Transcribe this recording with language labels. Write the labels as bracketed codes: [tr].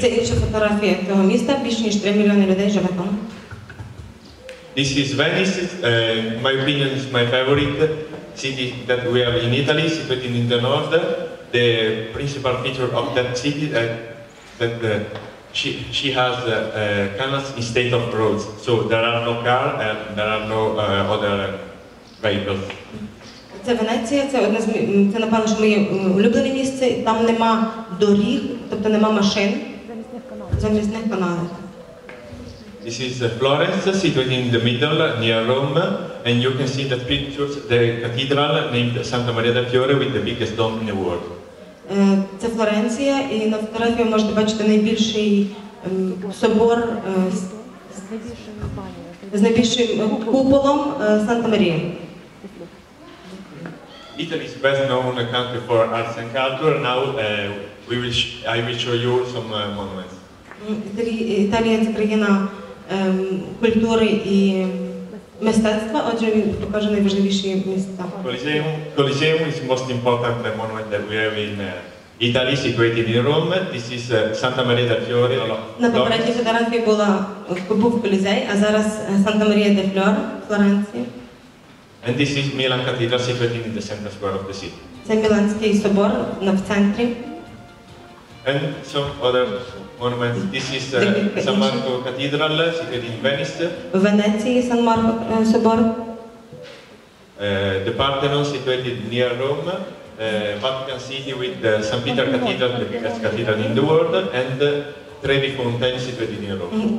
[uk] Це інша фотографія цього міста, більше ніж 3 мільйони людей живе там. [en] This is Venice, my opinion is my favorite city that we have in Italy, situated in the north. The principal feature of that city is that she has canals in state of roads, so there are no cars and there are no other vehicles. [uk] Це Венеція, це напевно, що моє улюблене місце, там нема доріг, тобто нема машин, замісних каналів. [en] This is Florence, situated in the middle, near Rome, and you can see the pictures, the cathedral named Santa Maria del Fiore with the biggest dome in the world. [uk] Це Флоренція, і на фотографії ви можете бачити найбільший собор з найбільшим куполом Санта Марія. [en] Italy is best known country for arts and culture. Now I will show you some monuments. [uk] Італія – це країна культури і мистецтва, отже він покаже найважливіші міста. [en] Colosseum is most important monument that we have in Italy, situated in Rome. This is Santa Maria del Fiore. [uk] На попередній фотографії був Колізей, а зараз Santa Maria del Fiore, Флоренція. [en] And this is Milan Cathedral situated in the center square of the city. [uk] Це Міланський собор в центрі. [en] And some other monuments. This is San Marco Cathedral situated in Venice. [uk] В Венеції Сан Марко собор. [en] The Parthenon situated near Rome. Vatican City with the St. Peter Cathedral, the biggest cathedral in the world, and Trevi Fountain situated in Rome.